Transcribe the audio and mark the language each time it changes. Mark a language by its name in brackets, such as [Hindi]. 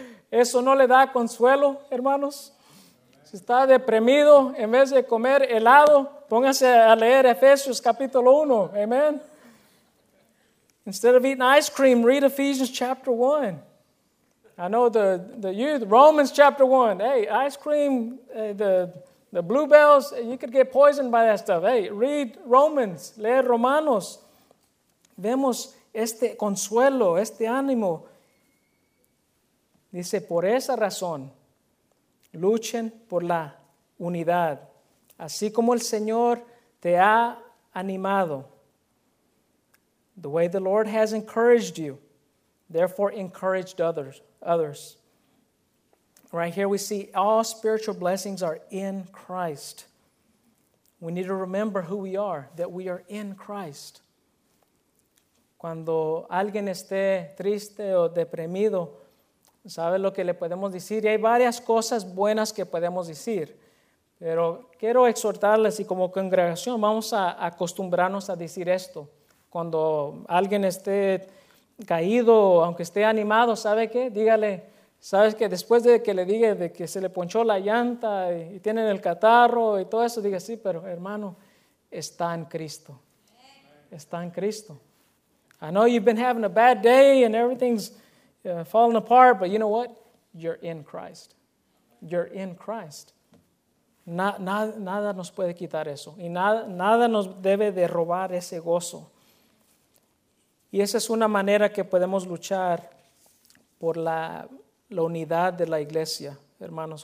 [Spanish] ¿Eso no le da consuelo, hermanos? Si está deprimido, en vez de comer helado, póngase a leer Efesios capítulo 1. Amén. [English] Instead of eating ice cream, read Ephesians chapter 1. I know the youth, Romans chapter 1. Hey, ice cream, the bluebells, you could get poisoned by that stuff. Hey, read Romans, [Spanish] leer Romanos. Vemos este consuelo, este ánimo. Dice, por esa razón, luchen por la unidad. Así como el Señor te ha animado. [English] The way the Lord has encouraged you, therefore encouraged others. Right here we see all spiritual blessings are in Christ. We need to remember who we are, that we are in Christ. [Spanish] Cuando alguien esté triste o deprimido, ¿sabe lo que le podemos decir? Y hay varias cosas buenas que podemos decir. Pero quiero exhortarles y como congregación vamos a acostumbrarnos a decir esto. Cuando alguien esté caído, aunque esté animado, ¿sabe qué? Dígale, ¿sabes qué? Después de que le diga de que se le ponchó la llanta y tienen el catarro y todo eso, diga, sí, pero hermano, está en Cristo. Está en Cristo. [English] I know you've been having a bad day and everything's falling apart, but you know what? You're in Christ. You're in Christ. [Spanish] Nada nos puede quitar eso. Y nada nos debe de robar ese gozo. Y esa es una manera que podemos luchar por la unidad de la iglesia, hermanos.